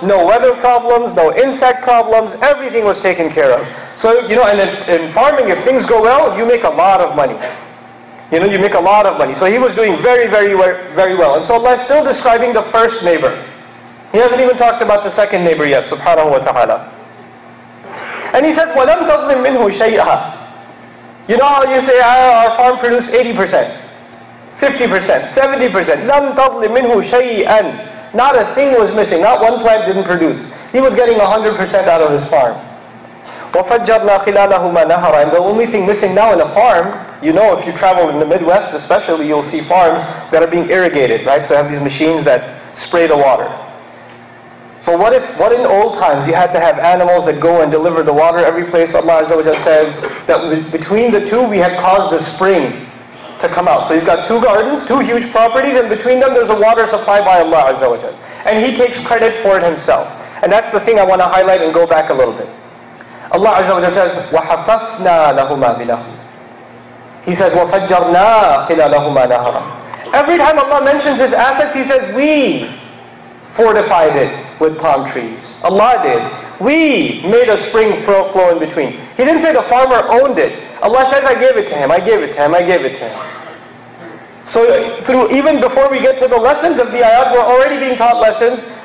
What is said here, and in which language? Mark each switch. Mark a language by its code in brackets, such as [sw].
[en] No weather problems, no insect problems. Everything was taken care of. So, you know, and in farming, if things go well, you make a lot of money. You know, you make a lot of money. So he was doing very, very, very well. And so Allah is still describing the first neighbor. He hasn't even talked about the second neighbor yet, subhanahu wa ta'ala. And he says, [ar] وَلَمْ تَظْلِمْ مِنْهُ شَيْئًا. [en] You know how you say, our farm produced 80%, 50%, 70%. [ar] لَمْ تَظْلِمْ مِنْهُ شَيْئًا. [en] Not a thing was missing, not one plant didn't produce. He was getting 100% out of his farm. [ar] وَفَجَّرْنَا خِلَالَهُمَا نَهَرًا. [en] And the only thing missing now in a farm, you know, if you travel in the Midwest especially, you'll see farms that are being irrigated, right? So they have these machines that spray the water. But what in old times you had to have animals that go and deliver the water every place? Allah Azza wa Jalla says that between the two we had caused a spring to come out. So he's got two gardens, two huge properties, and between them there's a water supply by Allah Azza wa Jalla. And he takes credit for it himself. And that's the thing I want to highlight and go back a little bit. Allah Azza wa Jalla says, [ar] وَحَفَفْنَا لَهُمَا بِلَهُمْ. [en] He says, [ar] وَفَجَّرْنَا خِلَالَهُمَا نَهَرًا. [en] Every time Allah mentions his assets, he says, we fortified it with palm trees. Allah did. We made a spring flow in between. He didn't say the farmer owned it. Allah says, I gave it to him, I gave it to him, I gave it to him. So through even before we get to the lessons of the ayat, we're already being taught lessons.